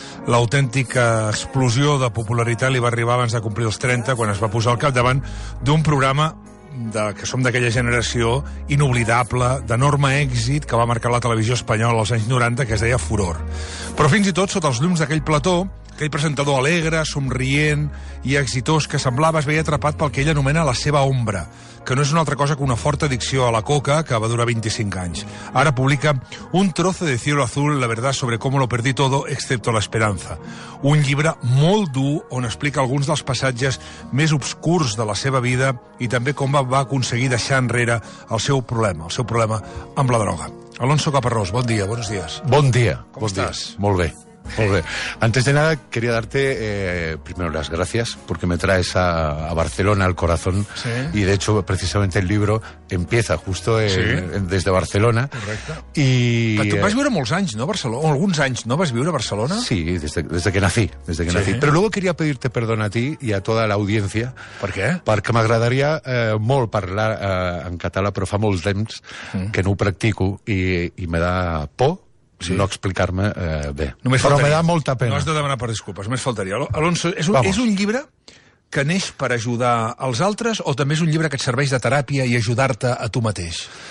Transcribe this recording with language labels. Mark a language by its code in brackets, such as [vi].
[ca] L'autèntica explosió de popularitat li va arribar abans de complir els 30, quan es va posar al capdavant d'un programa que som d'aquella generació inoblidable, d'enorme èxit que va marcar la televisió espanyola als anys 90, que es deia Furor. Però fins i tot sota els llums d'aquell plató, aquell presentador alegre, somrient i exitós que semblava, es veia atrapat pel que ell anomena la seva ombra, que no és una altra cosa que una forta addicció a la coca que va durar 25 anys. Ara publica [es] Un trozo de cielo azul, la verdad sobre cómo lo perdí todo, excepto la esperanza. [ca] Un llibre molt dur on explica alguns dels passatges més obscurs de la seva vida i també com va aconseguir deixar enrere el seu problema amb la droga. Alonso Caparrós, bon dia, bons dies. Bon dia. Com estàs? Molt bé. [es] Antes de nada, quería darte primero las gracias porque me traes a Barcelona al corazón. ¿Sí? Y de hecho, precisamente el libro empieza justo desde Barcelona. Correcto. Y tú vas a vivir muchos años, ¿no? Barcelona, algunos años, ¿no? Vas a vivir a Barcelona. Sí, desde que nací. Pero luego quería pedirte perdón a ti y a toda la audiencia. ¿Por qué? Porque me agradaría [ca] molt parlar en català, però fa molts temps que no ho practico [es] y me da por. [ca] Sí. No explicar-me bé. Només però faltaria. [es] Me da [ca] molta pena. No has de demanar per disculpes, només faltaria. Alonso, és un llibre que neix per ajudar els altres o també és un llibre que et serveix de teràpia i ajudar-te a tu mateix?